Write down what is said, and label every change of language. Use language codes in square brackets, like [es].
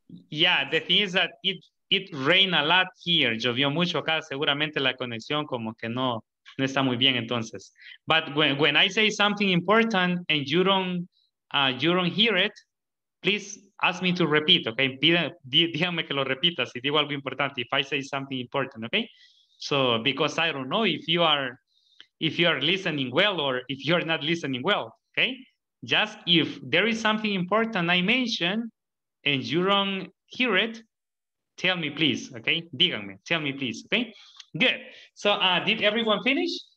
[en] Yeah, the thing is that it rained a lot here. [es] Llovió mucho acá. Seguramente la conexión como que no está muy bien entonces. [en] But when I say something important and you don't hear it, please ask me to repeat, okay? [es] Díganme que lo repita si digo algo importante. [en] If I say something important, okay? So, because I don't know if you are listening well or if you're not listening well, okay? Just if there is something important I mentioned and you don't hear it, tell me please, okay? [es] Díganme, [en] tell me please, okay? Good, so did everyone finish?